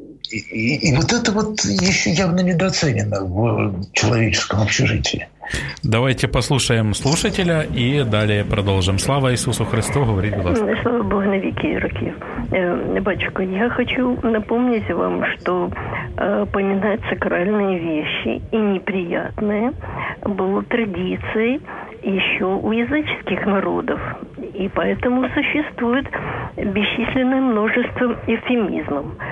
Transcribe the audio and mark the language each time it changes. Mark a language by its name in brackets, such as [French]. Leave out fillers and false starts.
[Russian] И вот это вот еще явно недооценено в человеческом общежитии. Давайте послушаем слушателя и [Ukrainian] далі продовжимо. Слава Ісусу Христу, говоріть, будь ласка. Слава Богу на віки і роки. Батюшко, я хочу напомнити вам, що пам'ятати сакральні речі і неприємні були традицією ще у язичних народів. [Russian] И поэтому существует бесчисленное множество эвфемизмов.